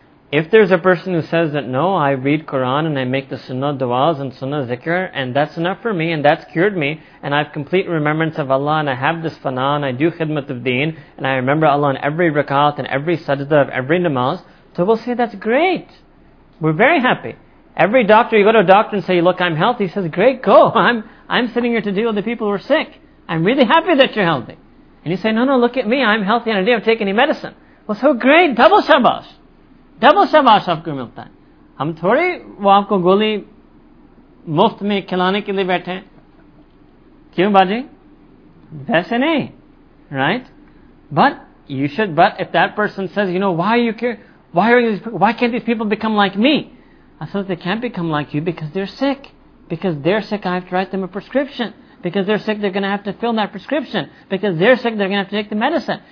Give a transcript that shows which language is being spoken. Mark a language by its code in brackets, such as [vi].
[en] If there's a person who says that no, I read Quran and I make the sunnah du'as and sunnah zikr and that's enough for me and that's cured me and I have complete remembrance of Allah and I have this fana and I do khidmat of deen and I remember Allah in every rakat and every sajda of every namaz, so we'll say that's great. We're very happy. Every doctor, you go to a doctor and say, look, I'm healthy. He says, great, go. I'm sitting here to deal with the people who are sick. I'm really happy that you're healthy. And you say, no, look at me. I'm healthy and I didn't take any medicine. Well, so great. Double [ur] شاباش۔ Double شاباش آپکو ملتا ہے۔ ہم تھوڑی وہ آپکو گولی مفت میں کھلانے کے لیے بیٹھے ہیں۔ کیوں باجی؟ ویسے نہیں۔ [en] Right? But if that person says, why can't these people become like me? I said, they can't become like you because they're sick. Because they're sick, I have to write them a prescription. Because they're sick, they're going to have to fill that prescription. Because they're sick, they're going to have to take the medicine.